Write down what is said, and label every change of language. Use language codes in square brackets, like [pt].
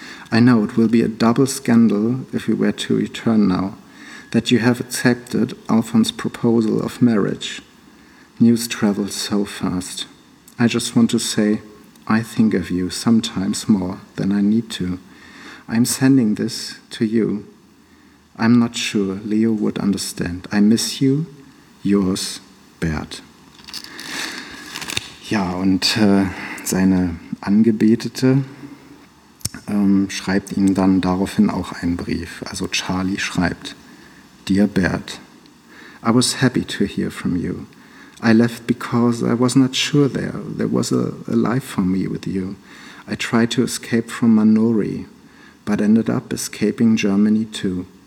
[en] I know it will be a double scandal if we were to return now, that you have accepted Alphonse's proposal of marriage. News travels so fast. I just want to say, I think of you sometimes more than I need to. I'm sending this to you. I'm not sure Leo would understand. I miss you. Yours, Bert. [de] Ja, und seine Angebetete schreibt ihm dann daraufhin auch einen Brief. Also Charlie schreibt: [en] Dear Bert, I was happy to hear from you. I left because I was not sure there was a life for me with you. I tried to escape from Manori, but ended up escaping Germany too.